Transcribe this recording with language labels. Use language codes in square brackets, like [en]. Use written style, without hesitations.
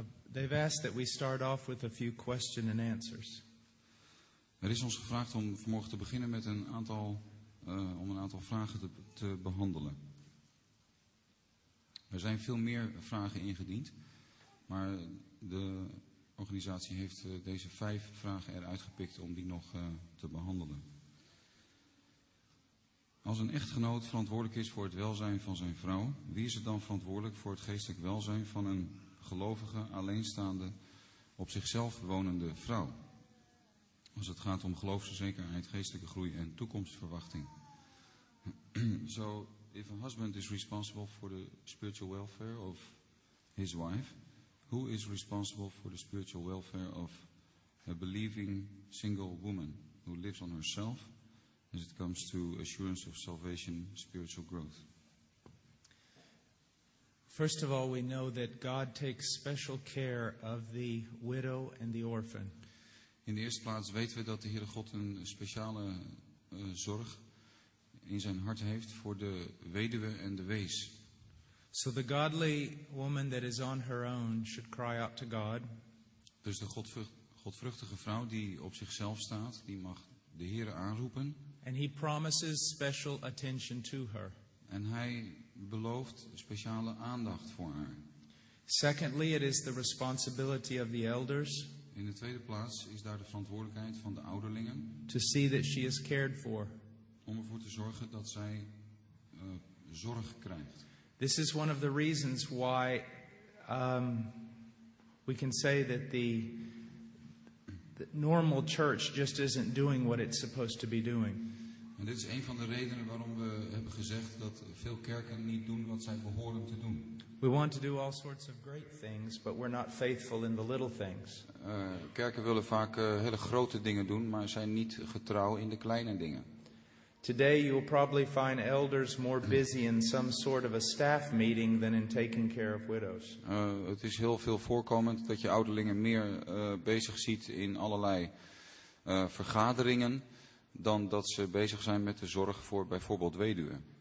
[en] They've asked that we start off with a few question and answers. [nl] Er is ons gevraagd om vanmorgen te beginnen met een aantal vragen te behandelen. Er zijn veel meer vragen ingediend, maar de organisatie heeft deze 5 vragen eruit gepikt om die nog te behandelen. Als een echtgenoot verantwoordelijk is voor het welzijn van zijn vrouw, wie is het dan verantwoordelijk voor het geestelijk welzijn van een gelovige, alleenstaande, op zichzelf wonende vrouw? Als het gaat om geloofszekerheid, geestelijke groei en toekomstverwachting. [en] So, if a husband is responsible for the spiritual welfare of his wife, who is responsible for the spiritual welfare of a believing single woman who lives on herself? As it comes to assurance of salvation, spiritual growth. First of all, we know that God takes special care of the widow and the orphan. [nl] In de eerste plaats weten we dat de Heere God een speciale zorg in zijn hart heeft voor de weduwe en de wees. [en] So the godly woman that is on her own should cry out to God. [nl] Dus de godvruchtige vrouw die op zichzelf staat, die mag de Heere aanroepen. [en] And he promises special attention to her. [nl] En hij belooft speciale aandacht voor haar. [en] Secondly, it is the responsibility of the elders. [nl] In de tweede plaats is daar de verantwoordelijkheid van de ouderlingen. [en] To see that she is cared for. [nl] Om ervoor te zorgen dat zij zorg krijgt. [en] This is one of the reasons why we can say that the normal church just isn't doing what it's supposed to be doing. [nl] En dit is een van de redenen waarom we hebben gezegd dat veel kerken niet doen wat zij behoren te doen. [en] We want to do all sorts of great things, but we're not faithful in the little things. [nl] Kerken willen vaak hele grote dingen doen, maar zijn niet getrouw in de kleine dingen. [en] Today you will probably find elders more busy in some sort of a staff meeting than in taking care of widows. [nl] Het is heel veel voorkomend dat je ouderlingen meer bezig ziet in allerlei vergaderingen dan dat ze bezig zijn met de zorg voor bijvoorbeeld weduwen.